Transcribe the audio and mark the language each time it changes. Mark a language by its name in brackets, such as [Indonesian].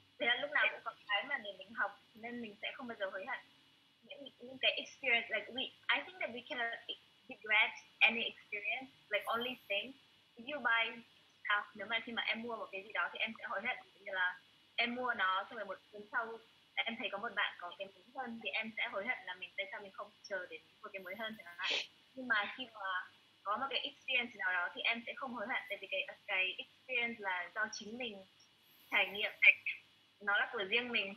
[Vietnamese] Thế là lúc nào cũng có cái mà để mình học, nên mình sẽ không bao giờ hối hận những cái experience. [English] Like I think that we cannot regret any experience, like only thing. If you buy stuff, [Vietnamese] nếu mà khi mà em mua một cái gì đó thì em sẽ hối hận, như là em mua nó xong rồi một tuần sau em thấy có một bạn có cái mới hơn thì em sẽ hối hận là mình tại sao mình không chờ đến một cái mới hơn chẳng hạn. Nhưng mà khi mà có một cái experience nào đó thì em sẽ không hối hận, tại vì cái experience là do chính mình trải nghiệm, nó là của riêng mình.